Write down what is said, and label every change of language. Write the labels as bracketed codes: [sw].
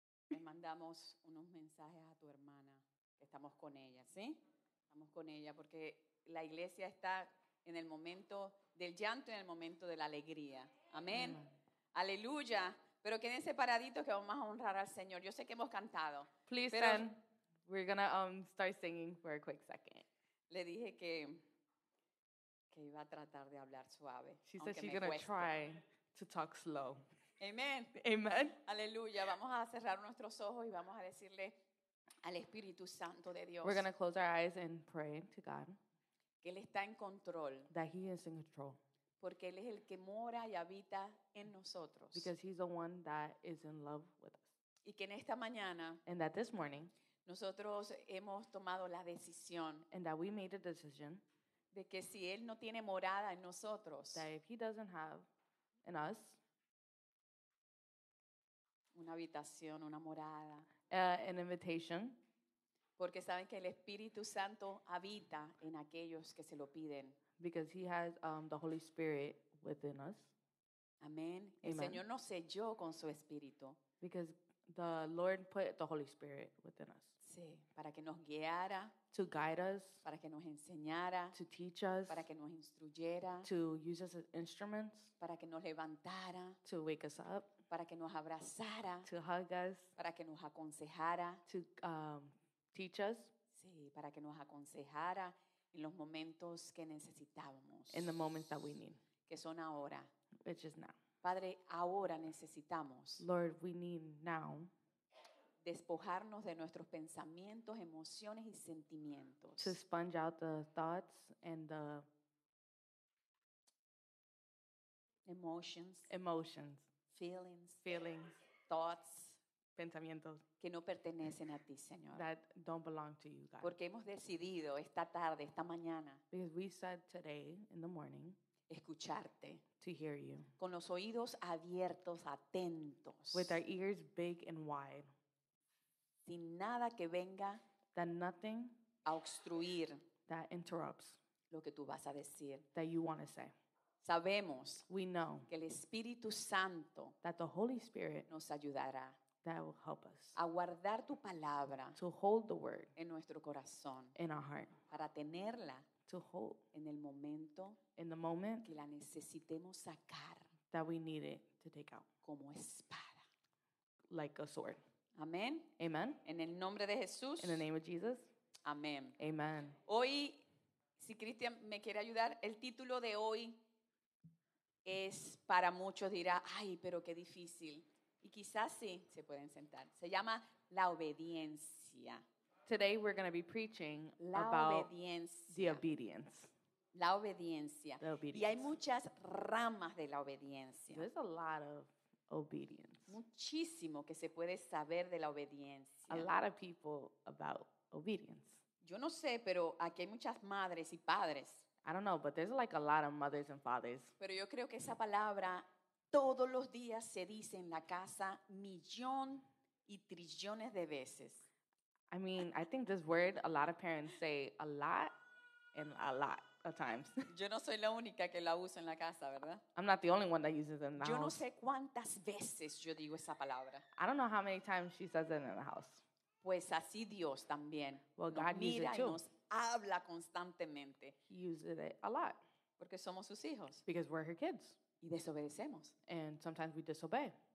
[es] Le mandamos unos mensajes a tu hermana. Estamos con ella, ¿sí? Estamos con ella porque la iglesia está en el momento del llanto y en el momento de la alegría. Amén. Amen. Aleluya. Pero quédense paraditos que vamos a honrar al Señor. Yo sé que hemos cantado. [en] Please stand. We're going to start singing for a quick second. [es] Le dije que... que iba a tratar de hablar suave. [en] She said she's going to try to talk slow. Amen. Amen. [es] Aleluya. Vamos a cerrar nuestros ojos y vamos a decirle al Espíritu Santo de Dios. [en] We're going to close our eyes and pray to God. [es] Que Él está en control. [en] That He is in control. [es] Porque Él es el que mora y habita en nosotros. [en] Because He's the one that is in love with us. [es] Y que en esta mañana. [en] And that this morning. [es] Nosotros hemos tomado la decisión. [en] And that we made a decision. [es] De que si Él no tiene morada en nosotros. [en] That if He doesn't have in us. [es] Una habitación, una morada. [en] An invitation. [es] Porque saben que el Espíritu Santo habita en aquellos que se lo piden. [en] Because He has the Holy Spirit within us. [es] Amén. El Señor nos selló con su Espíritu. [en] Because the Lord put the Holy Spirit within us. [es] Sí, para que nos guiara. [en] To guide us. [es] Para que nos enseñara. [en] To teach us. [es] Para que nos instruyera. [en] To use us as instruments. [es] Para que nos levantara. [en] To wake us up. [es] Para que nos abrazara. [en] To hug us. [es] Para que nos aconsejara. [en] To teach us. [es] Sí, para que nos aconsejara en los momentos que necesitábamos. [en] In the moments that we need. [es] Que son ahora. [en] Which is now. [es] Padre, ahora necesitamos. [en] Lord, we need now. [es] Despojarnos de nuestros pensamientos, emociones y sentimientos. [en] To sponge out the thoughts and the emotions, feelings, thoughts, [es] pensamientos que no pertenecen a ti, Señor. [en] That don't belong to you, God. [es] Porque hemos decidido esta tarde, esta mañana. [en] Because we said today in the morning. [es] Escucharte. [en] To hear you. [es] Con los oídos abiertos, atentos. [en] With our ears big and wide. [es] Sin nada que venga [en] that nothing [es] a obstruir [en] that interrupts [es] lo que tú vas a decir. [en] That you want to say. [es] Sabemos, [en] we know, [es] que el Espíritu Santo, [en] that the Holy Spirit, [es] nos ayudará, [en] that will help us, [es] a guardar tu palabra, [en] to hold the word, [es] en nuestro corazón, [en] in our heart, [es] para tenerla, [en] to hold, [es] en el momento, [en] in the moment, [es] que la necesitemos sacar, [en] that we need it to take out, [es] como espada, [en] like a sword. [es] Amén. [en] Amen. [es] En el nombre de Jesús. [en] In the name of Jesus. [es] Amén. [en] Amen. [es] Hoy, si Cristian me quiere ayudar, el título de hoy es, para muchos dirá, ay, pero qué difícil. Y quizás sí, se pueden sentar. Se llama la obediencia. [en] Today we're going to be preaching [es] la [en] about [es] obediencia. [en] The obedience. [es] La obediencia. [en] The obedience. [es] Y hay muchas ramas de la obediencia. [en] There's a lot of obedience. [es] Muchísimo que se puede saber de la obediencia. [en] A lot of people about obedience. [es] Yo no sé, pero aquí hay muchas madres y padres. [en] I don't know, but there's like a lot of mothers and fathers. [es] Pero yo creo que esa palabra todos los días se dice en la casa millón y trillones de veces. [en] I mean, I think this word a lot of parents say a lot and a lot of times. [es] Yo no soy la única que la uso en la casa, ¿verdad? [en] I'm not the only one that uses it in the house. [es] Yo no sé cuántas veces yo digo esa palabra. [en] I don't know how many times she says it in the house. [es] Pues así Dios también. [en] Well, God [es] nos mira [en] uses it too. [es] Y nos habla constantemente. [en] He uses it a lot. [es] Porque somos sus hijos. [en] Because we're her kids. [es] Y desobedecemos. [en] And sometimes we disobey.